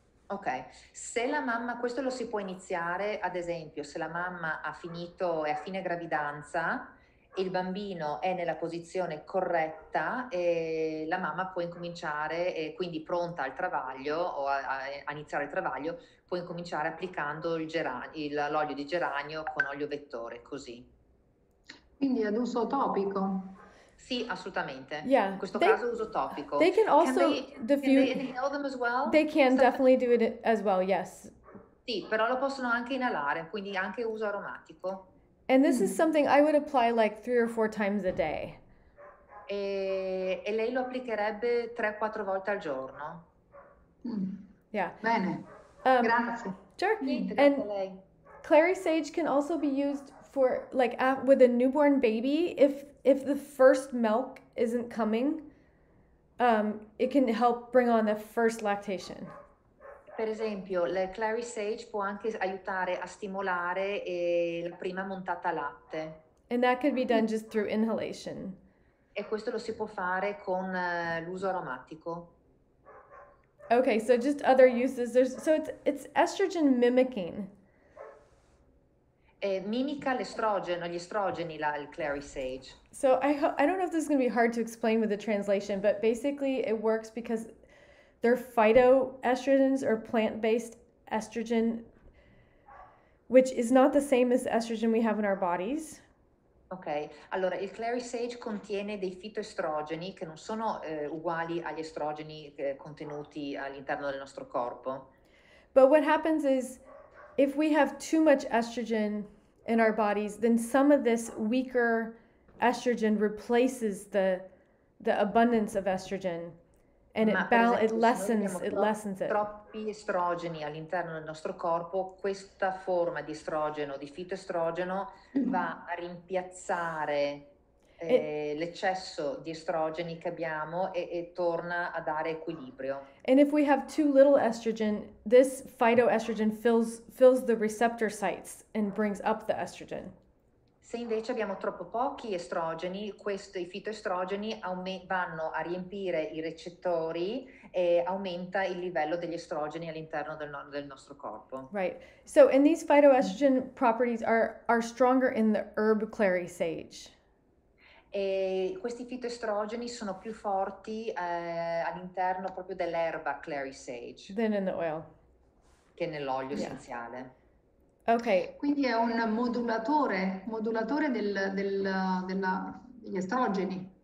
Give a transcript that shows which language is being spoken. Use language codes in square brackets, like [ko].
[it] Ok, se la mamma, questo lo si può iniziare, ad esempio, se la mamma ha finito, è a fine gravidanza il bambino è nella posizione corretta, la mamma può incominciare, quindi pronta al travaglio o a iniziare il travaglio, può incominciare applicando l'olio di geranio con olio vettore, così. Quindi ad uso topico? Sì, assolutamente. [en] Yeah. [it] In questo caso uso topico. [en] They can also inhale them as well? They can definitely do it as well, yes. [it] Sì, però lo possono anche inalare, quindi anche uso aromatico. [en] And this is something I would apply like 3 or 4 times a day. [it] E lei lo applicherebbe 3 o 4 volte al giorno. [en] Yeah. [it] Bene. Grazie. [en] Sure. And clary sage can also be used for like with a newborn baby. If the first milk isn't coming, it can help bring on the first lactation. [it] Per esempio, la clary sage può anche aiutare a stimolare la prima montata latte. [en] And that could be done just through inhalation. [it] E questo lo si può fare con l'uso aromatico. [en] Okay, so just other uses. It's estrogen mimicking. [it] Mimica l'estrogeno, gli estrogeni, il clary sage. [en] So I don't know if this is going to be hard to explain with the translation, but basically it works because they're phytoestrogens or plant-based estrogen, which is not the same as the estrogen we have in our bodies. Okay. [it] Allora, il clary sage contiene dei fitoestrogeni che non sono uguali agli estrogeni contenuti all'interno del nostro corpo. [en] But what happens is, if we have too much estrogen in our bodies, then some of this weaker estrogen replaces the abundance of estrogen. And it lessens it. [it] Troppi estrogeni all'interno del nostro corpo, questa forma di estrogeno, di fitoestrogeno, va a rimpiazzare l'eccesso di estrogeni che abbiamo e torna a dare equilibrio. [en] And if we have too little estrogen, this phytoestrogen fills the receptor sites and brings up the estrogen. [it] Se invece abbiamo troppo pochi estrogeni, i fitoestrogeni vanno a riempire i recettori e aumenta il livello degli estrogeni all'interno del nostro corpo. [en] Right. So, and these phytoestrogen properties are stronger in the herb clary sage. [it] E questi fitoestrogeni sono più forti all'interno proprio dell'erba clary sage. [en] Than in the oil. [it] Che nell'olio essenziale. [en] Okay. [it] Quindi è un modulatore degli estrogeni.